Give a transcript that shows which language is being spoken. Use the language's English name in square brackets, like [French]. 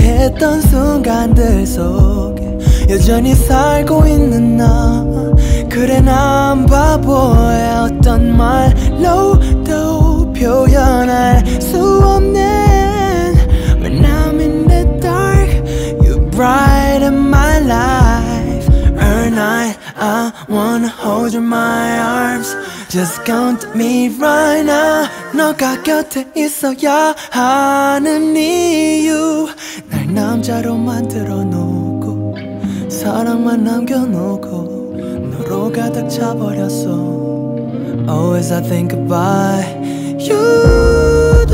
[Korean] 했던 순간들 속에 여전히 살고 있는 나. 그래 난 바보야. 어떤 말로도 표현할 수 없네. [English] When I'm in the dark, you brighten my life. Every night I wanna hold you in my arms. Just count me right now. [Korean] 너가 곁에 있어야 하는 이유. 남자로 만들어 놓고 사랑만 남겨놓고 너로 가득 차버렸어. [English] Always I think about you.